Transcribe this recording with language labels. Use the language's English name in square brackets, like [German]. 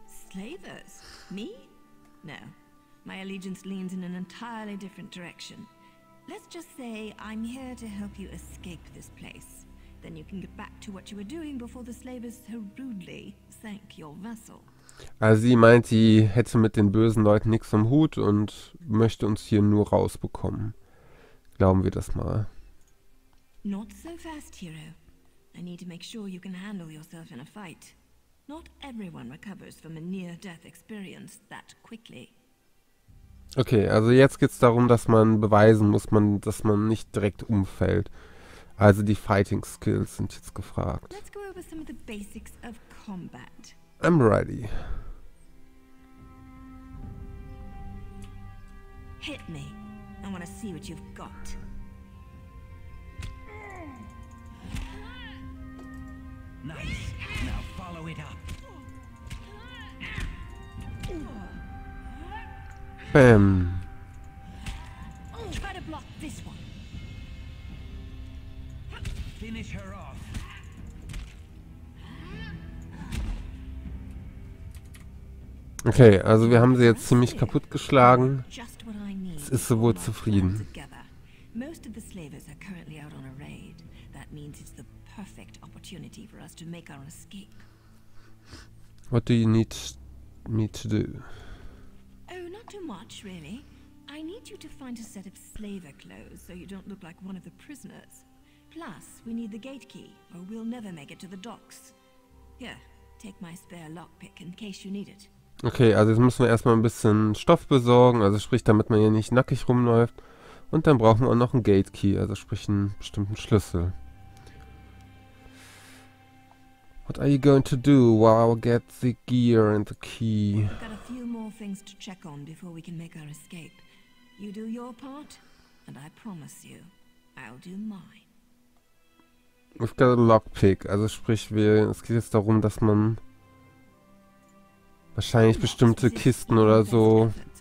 [English] Slavers? Me? No. My allegiance leans in an entirely different direction. Let's just say I'm here to help you escape this place. Then you can get back to what you were doing before the slavers so rudely sank your vessel. [German] Also sie meint, sie hätte mit den bösen Leuten nichts am Hut und möchte uns hier nur rausbekommen. Glauben wir das mal. [English] Not so fast, Hero. I need to make sure you can handle yourself in a fight. Not everyone recovers from a near-death experience that quickly. [German] Okay, also jetzt geht es darum, dass man beweisen muss, dass man nicht direkt umfällt. Also die Fighting Skills sind jetzt gefragt. [English] Let's go over some of the basics of combat. I'm ready. Hit me. I want to see what you've got. Nice. Now follow it up. Bam. Try to block this one. Finish her off. [German] Okay, also wir haben sie jetzt ziemlich kaputt geschlagen. Ist sie wohl zufrieden. [English] Most of the slavers are currently out on a raid. That means it's the perfect opportunity for us to make our escape. What do you need me to do? Oh, not too much, really. I need you to find a set of slaver clothes so you don't look like one of the prisoners. Plus, we need the gate key, or we'll never make it to the docks. Here, take my spare lockpick in case you need it. [German] Okay, also jetzt müssen wir erstmal ein bisschen Stoff besorgen, also sprich, damit man hier nicht nackig rumläuft. Und dann brauchen wir auch noch einen Gatekey, also sprich, einen bestimmten Schlüssel. [English] What are you going to do while I get the gear and the key? We've got a few more things to check on before we can make our escape. You do your part, and I promise you, I'll do mine. [German] Ich glaube, Lockpick. Also sprich, es geht jetzt darum, dass man wahrscheinlich bestimmte Kisten oder so.